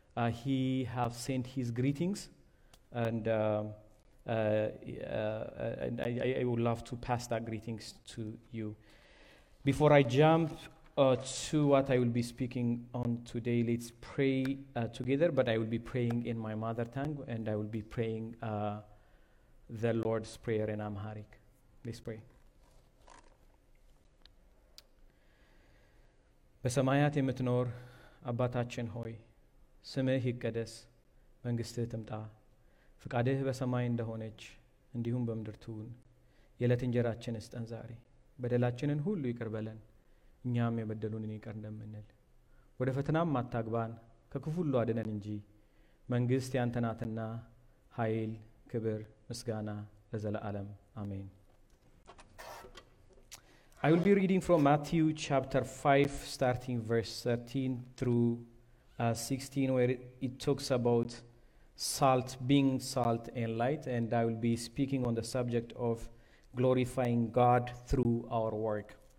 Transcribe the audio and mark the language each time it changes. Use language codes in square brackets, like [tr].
[en] He have sent his greetings, and I would love to pass that greetings to you. Before I jump to what I will be speaking on today, let's pray together, but I will be praying in my mother tongue, and I will be praying the Lord's Prayer in Amharic. Let's pray. [am] በሰማያት የምትኖር አባታችን ሆይ ስምህ ይቀደስ መንግስትህ ትምጣ ፍቃድህ በሰማይ እንደሆነች እንዲሁም በምድር ትሁን የዕለት እንጀራችንን ስጠን ዛሬ በደላችንን ሁሉ ይቅር በለን እኛም የበደሉንን ይቅር እንደምንል ወደ ፈተናም አታግባን ከክፉ ሁሉ አድነን እንጂ መንግስት ያንተ ናትና ኃይል ክብር ምስጋና ለዘላለም አሜን. [en] I will be reading from Matthew chapter 5, starting verse 13 through 16, where it talks about salt, being salt and light, and I will be speaking on the subject of glorifying God through our work.